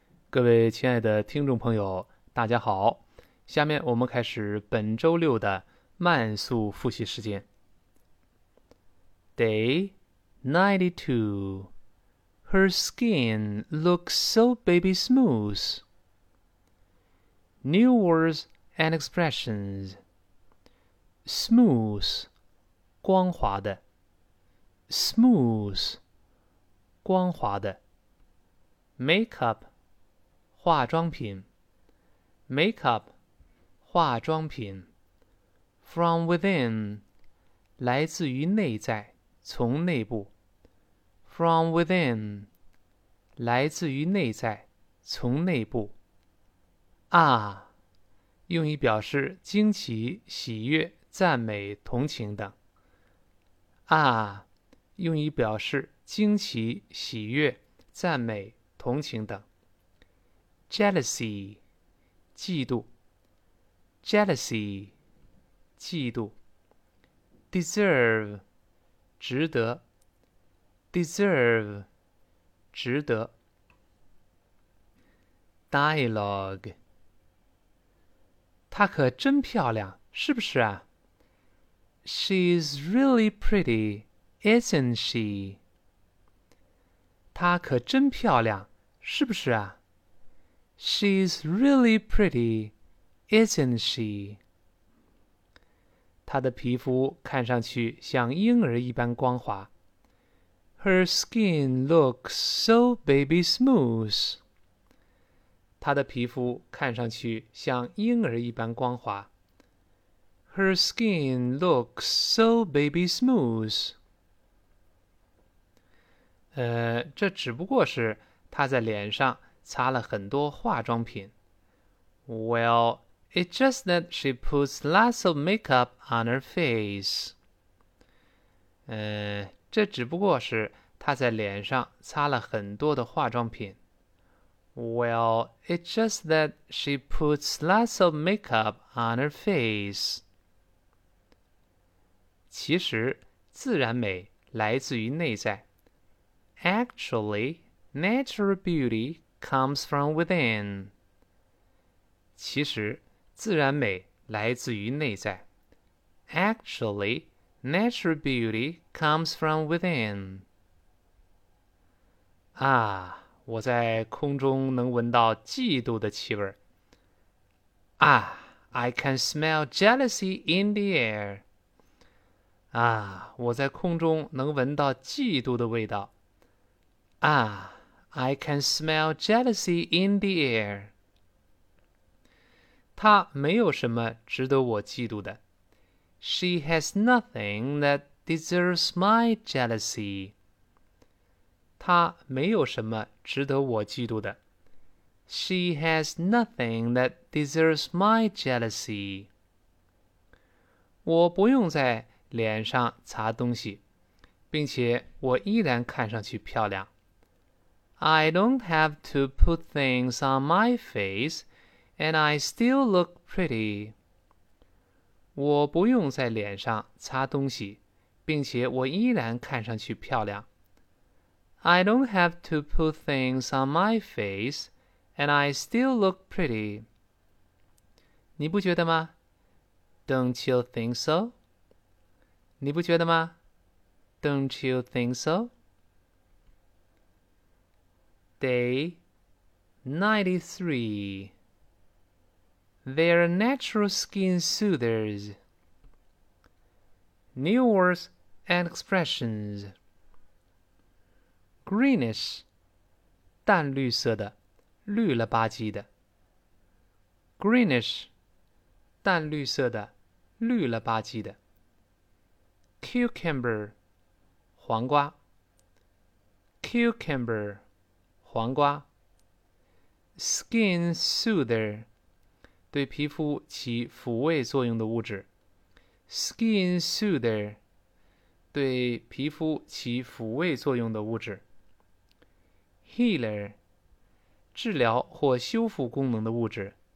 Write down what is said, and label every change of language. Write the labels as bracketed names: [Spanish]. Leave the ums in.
[Chinese] 各位亲爱的听众朋友，大家好！下面我们开始本周六的慢速复习时间。 [English] Day ninety two. Her skin looks so baby smooth. New words and expressions. [Chinese] Smooth，光滑的。Smooth，光滑的。 Makeup，化妆品。Makeup，化妆品。 From within，来自于内在，从内部。 From within，来自于内在，从内部。啊，用以表示惊奇、喜悦、赞美、同情等。啊，用以表示惊奇、喜悦、赞美、同情等。 Jealousy，嫉妒。 Jealousy，嫉妒。 Deserve，值得。Deserve，值得。 Dialogue，她可真漂亮，是不是啊？ [English] She's really pretty, isn't she？ [Chinese] 她可真漂亮，是不是啊？ [English] She's really pretty, isn't she？ [Chinese] 她的皮肤看上去像婴儿一般光滑。 [English] Her skin looks so baby smooth。 [Chinese] 她的皮肤看上去像婴儿一般光滑。 [English] Her skin looks so baby smooth。 [Chinese] 呃，这只不过是她在脸上擦了很多化妆品。 [English] Well, it's just that she puts lots of makeup on her face. [Chinese] 嗯，这只不过是她在脸上擦了很多的化妆品。 [English] Well, it's just that she puts lots of makeup on her face. [Chinese] 其实，自然美来自于内在。 [English] Actually, natural beauty comes from within. [Chinese] 其实，自然美来自于内在。 [English] Actually, natural beauty comes from within. [Chinese] 啊，我在空中能闻到嫉妒的气味儿。 [English] 啊，I can smell jealousy in the air. [Chinese] 啊，我在空中能闻到嫉妒的味道。 [English] 啊，I can smell jealousy in the air. [Chinese] 她没有什么值得我嫉妒的。 [English] She has nothing that deserves my jealousy. [Chinese] 她没有什么值得我嫉妒的。 [English] She has nothing that deserves my jealousy. [Chinese] 我不用在脸上擦东西，并且我依然看上去漂亮。 [English] I don't have to put things on my face, and I still look pretty. [Chinese] 我不用在脸上擦东西，并且我依然看上去漂亮。 [English] I don't have to put things on my face, and I still look pretty. [Chinese] 你不觉得吗？ [English] Don't you think so? 你不觉得吗？Don't you think so? Day 93. Their natural skin soothers. New words and expressions. [Chinese] Greenish，淡绿色的，绿了吧唧的。 Greenish，淡绿色的，绿了吧唧的。 Cucumber，黄瓜。 Cucumber，黄瓜。 Skin soother，对皮肤起抚慰作用的物质。 Skin soother，对皮肤起抚慰作用的物质。 Healer，治疗或修复功能的物质。